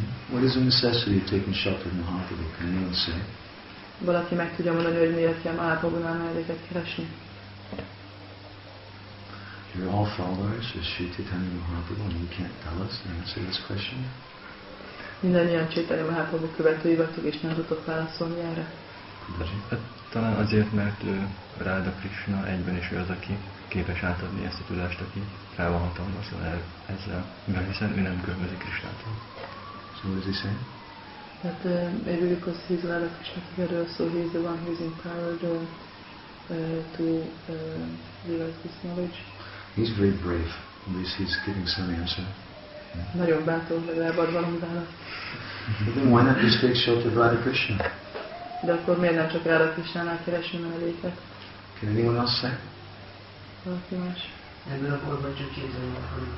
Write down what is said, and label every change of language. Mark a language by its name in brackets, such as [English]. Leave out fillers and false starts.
[English] What is the necessity of taking shelter of Mahaprabhu? Can anyone say? [Hungarian] Valaki meg tudja mondani, hogy miért kell Mahaprabhunál menedéket keresni? [English] You're all followers of Sri Chaitanya Mahaprabhu, and you can't tell us and answer this question. [Hungarian] Mindannyian Chaitanya Mahaprabhu követői vagytok, és nem tudtok válaszolni erre. Talán azért, mert Radha Krishna egyben is ő az, aki képes átadni ezt a tudást, aki fel van hatalmazva ezzel, mert hiszen ő nem különbözi Krishnától. [English] So what is he saying? That maybe because he's Radha Krishna together, so he's the one who's empowered to realize this knowledge. He's very brave. At least he's giving some answer. [Hungarian] Nagyon bátor, legalább ad valami választ. [English] Then why not just take shelter of Radha Krishna? [Hungarian] De akkor miért nem csak Radha Krishnánál keresünk menedéket? [English] Can anyone else say? [Hungarian] Valaki más. Ebből a korban csak kézzel akarunk